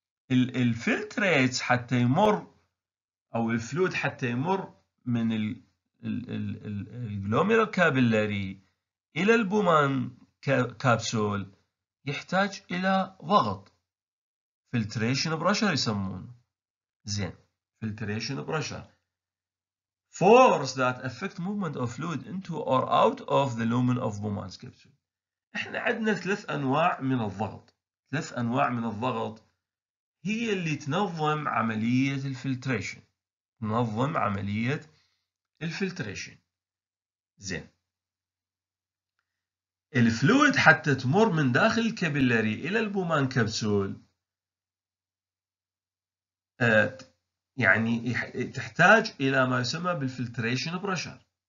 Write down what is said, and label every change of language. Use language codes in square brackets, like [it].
[ar] الفلتريتس حتى يمر او الفلويد حتى يمر من الجلوميرال كابيلاري الى البومان كابسول يحتاج الى ضغط. [en] Filtration pressure [ar] يسمونه. [en] زين. Filtration pressure. Force that affect movement of fluid into or out of the lumen of Bowman's capsule. [ar] احنا عندنا ثلاث انواع من الضغط. ثلاث انواع من الضغط هي اللي تنظم عملية الفلتريشن. تنظم عملية الفلتريشن. زين. الفلويد حتى تمر من داخل الكابيلاري الى البومان كابسول يعني تحتاج الى ما يسمى بالفلتريشن بريشر.